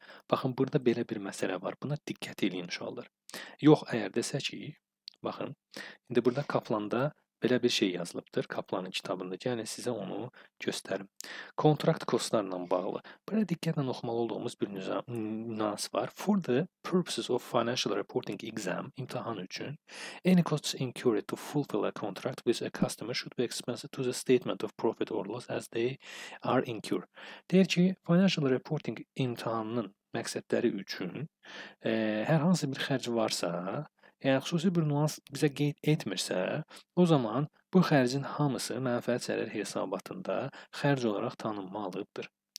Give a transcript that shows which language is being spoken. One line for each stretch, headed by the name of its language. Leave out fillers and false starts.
Azerbaijani: Baxın, burada belə bir məsələ var. Buna diqqət edin uşaqlar. Yox, əgər desə ki, baxın, indi burada Kaplan'da belə bir şey yazılıbdır. Kaplan'ın kitabında. Gəlin, sizə onu göstərim. Kontrakt kostlarla bağlı. Burada diqqətlə oxumalı olduğumuz bir nüans var.
English: For the purposes of financial reporting exam,
Azerbaijani: imtihan üçün,
English: any costs incurred to fulfill a contract with a customer should be expensed to the statement of profit or loss as they are incurred.
Azerbaijani: Deyir ki, financial reporting imtihanının məqsədləri üçün hər hansı bir xərc varsa, yəni, xüsusi bir nüans bizə qeyd etmirsə, o zaman bu xərcin hamısı mənfəət zərər hesabatında xərc olaraq tanınmalıdır.